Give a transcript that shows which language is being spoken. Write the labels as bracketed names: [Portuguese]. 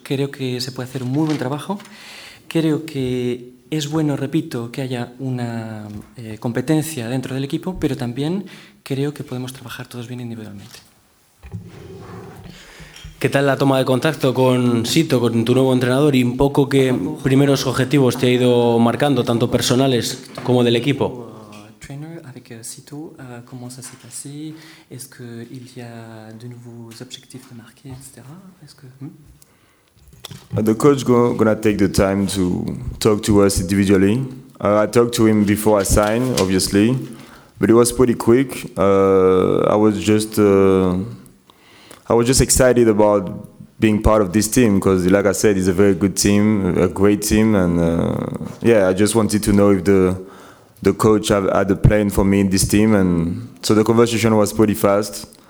[Spanish] Creo que se puede hacer un muy buen trabajo. Creo que es bueno, repito, que haya una competencia dentro del equipo, pero también creo que podemos trabajar todos bien individualmente. ¿Qué tal la toma de contacto con Sito, con tu nuevo entrenador y un poco qué primeros objetivos te ha ido marcando, tanto personales como del equipo? [French] Trainer, avec Sito, comment ça s'est passé? Est-ce que il y a de nouveaux objectifs de marquer, etc.? Est-ce que [English] The coach gonna take the time to talk to us individually. I talked to him before I signed, obviously, but it was pretty quick. I was just excited about being part of this team because, like I said, it's a very good team, a great team, and I just wanted to know if the coach had a plan for me in this team, and so the conversation was pretty fast.